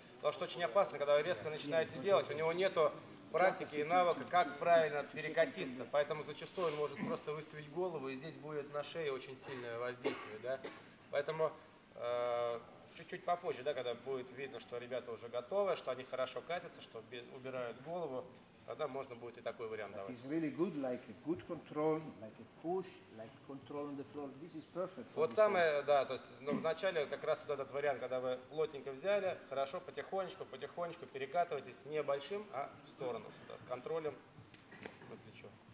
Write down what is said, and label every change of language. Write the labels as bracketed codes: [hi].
[ru] Потому что очень опасно, когда вы резко начинаете делать, у него нету практики и навыка, как правильно перекатиться. Поэтому зачастую он может просто выставить голову, и здесь будет на шее очень сильное воздействие, да. Поэтому чуть-чуть попозже, да, когда будет видно, что ребята уже готовы, что они хорошо катятся, что убирают голову, тогда можно будет и такой вариант давать. [en] Really good, like good control, like push, like control on the floor. This is perfect. [ru] Вот самое, да, то есть, ну, вначале как раз вот этот вариант, когда вы плотненько взяли, хорошо, потихонечку, потихонечку перекатывайтесь, не большим, а в сторону сюда, с контролем на плечо.